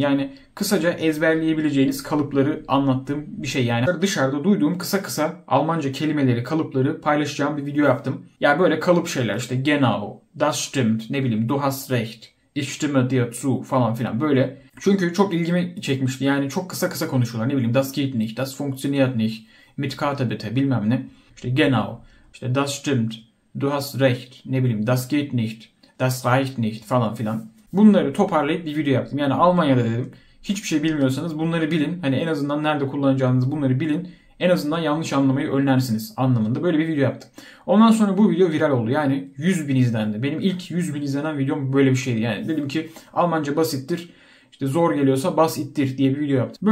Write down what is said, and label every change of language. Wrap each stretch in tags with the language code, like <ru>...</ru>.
<tr>Yani kısaca ezberleyebileceğiniz kalıpları anlattığım bir şey yani. Dışarıda duyduğum kısa kısa Almanca kelimeleri, kalıpları paylaşacağım bir video yaptım. Yani böyle kalıp şeyler işte</tr> <de>genau, das stimmt,</de> <tr>ne bileyim</tr> <de>du hast recht, ich stimme dir zu</de> <tr>falan filan böyle. Çünkü çok ilgimi çekmişti yani çok kısa kısa konuşuyorlar. Ne bileyim</tr> <de>das geht nicht, das funktioniert nicht, mit Karte bitte</de> <tr>bilmem ne. İşte</tr> <de>genau,</de> <tr>işte</tr> <de>das stimmt, du hast recht,</de> <tr>ne bileyim</tr> <de>das geht nicht. Das reicht nicht</de> <tr>falan filan. Bunları toparlayıp bir video yaptım. Yani Almanya'da dedim. Hiçbir şey bilmiyorsanız bunları bilin. Hani en azından nerede kullanacağınızı bunları bilin. En azından yanlış anlamayı önlersiniz anlamında. Böyle bir video yaptım. Ondan sonra bu video viral oldu. Yani 100 bin izlendi. Benim ilk 100 bin izlenen videom böyle bir şeydi. Yani dedim ki Almanca basittir. İşte zor geliyorsa bas ittir diye bir video yaptım.</tr>